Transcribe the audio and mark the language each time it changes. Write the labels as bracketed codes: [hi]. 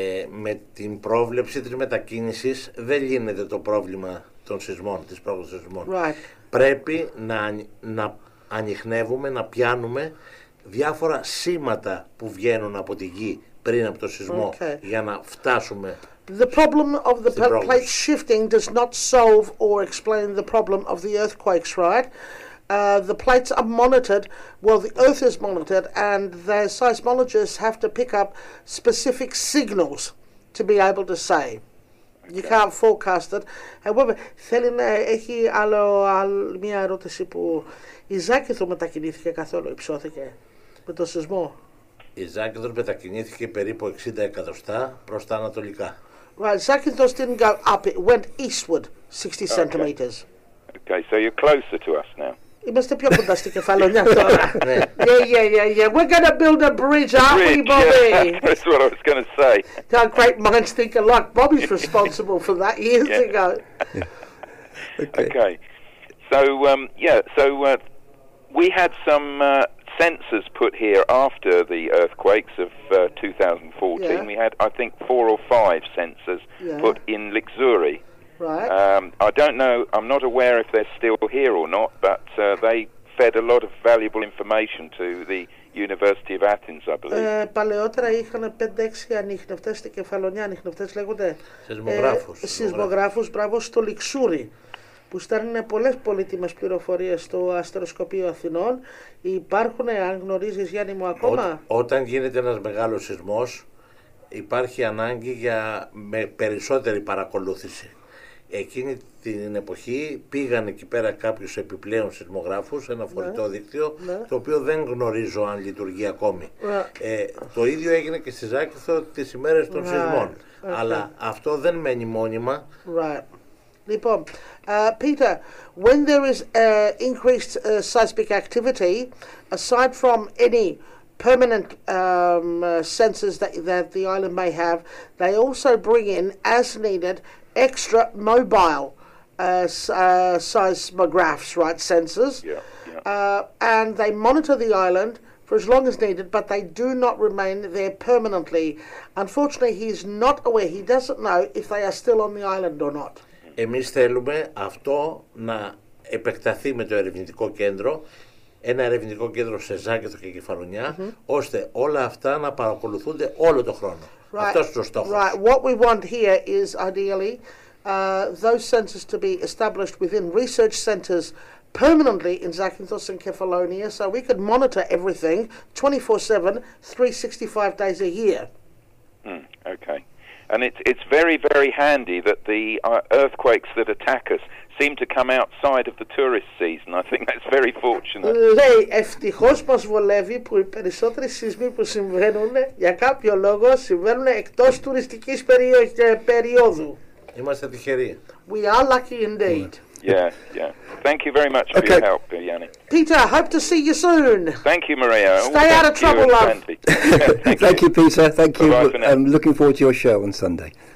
[el] Με την πρόβλεψη της μετακίνησης δεν λύνεται το πρόβλημα των σεισμών, της πρόβλησης σεισμών. [en] Right. [el] Πρέπει να ανοιχνεύουμε, να πιάνουμε διάφορα σήματα που βγαίνουν από τη γη πριν από το σεισμό για να φτάσουμε. [en] The problem of the plate shifting does not solve or explain the problem of the earthquakes, right? The plates are monitored, well, the earth is monitored, and the seismologists have to pick up specific signals to be able to say. Okay. You can't forecast it. However, [el] θέλει να έχει άλλο μια ερώτηση που η Ζάκυνθο μετακινήθηκε καθόλου, υψώθηκε με το σεισμό. Η Ζάκυνθο μετακινήθηκε περίπου 60 εκατοστά προς τα ανατολικά. [en] Well, Ζάκυνθο didn't go up, it went eastward 60 centimeters. Okay, so you're closer to us now. [el] Είμαστε πιο κοντά στην Κεφαλονιά τώρα. [en] Yeah. We're going to build a bridge, aren't we, Bobby? Yeah, that's what I was going to say. How great minds think alike. Bobby's responsible for that years ago. Okay. So, we had some sensors put here after the earthquakes of 2014. Yeah. We had, I think, four or five sensors put in Luxury. Right. I don't know, I'm not aware if they're still here or not, but they fed a lot of valuable information to the University of Athens, I believe. [el] Παλαιότερα είχαν 5-6 ανιχνευτές στην Κεφαλονιά, ανιχνευτές λέγονται. Σεισμογράφους. Σεισμογράφους, μπράβο, στο Λιξούρι, που στέλνουν πολλές πολύτιμες πληροφορίες στο αστεροσκοπείο Αθηνών. Υπάρχουν, αν γνωρίζεις Γιάννη μου, ακόμα. Όταν γίνεται ένας μεγάλος σεισμός, υπάρχει ανάγκη για με περισσότερη παρακολούθηση. Εκείνη την εποχή πήγαν εκεί πέρα κάποιους επιπλέον σεισμογράφους, ένα φορητό δίκτυο, το οποίο δεν γνωρίζω αν λειτουργεί ακόμη. Το ίδιο έγινε και στη Ζάκυνθο τις ημέρες των σεισμών. Okay. Αλλά αυτό δεν μένει μόνιμα. [en] Right. [el] Λοιπόν, [en] Peter, when there is increased seismic activity, aside from any permanent sensors that the island may have, they also bring in, as needed, extra mobile seismographs, right, sensors. Yeah. And they monitor the island for as long as needed, but they do not remain there permanently. Unfortunately, he's not aware. He doesn't know if they are still on the island or not. [el] Εμείς θέλουμε αυτό να επεκταθεί με το ερευνητικό κέντρο, ένα ερευνητικό κέντρο σε Ζάκεθο και Κεφαλονιά, mm-hmm. ώστε όλα αυτά να παρακολουθούνται όλο το χρόνο. [en] Right. [el] Αυτός το στόχος. [en] Right. What we want here is ideally those sensors to be established within research centers permanently in Zakynthos and Kefalonia, so we could monitor everything 24/7, 365 days a year. Okay. And it's very, very handy that the earthquakes that attack us seem to come outside of the tourist season. I think that's very fortunate. [el] Λέει, ευτυχώς μας βολεύει που οι περισσότεροι σεισμοί που συμβαίνουν για κάποιο λόγο συμβαίνουν εκτός τουριστικής περίοδου. Είμαστε τυχεροί. [en] We are lucky indeed. Yeah, yeah. Thank you very much for your help, Yanni. Peter, hope to see you soon. Thank you, Maria. Stay out of trouble, love. Thank you, Peter. Thank you. I'm looking forward to your show on Sunday.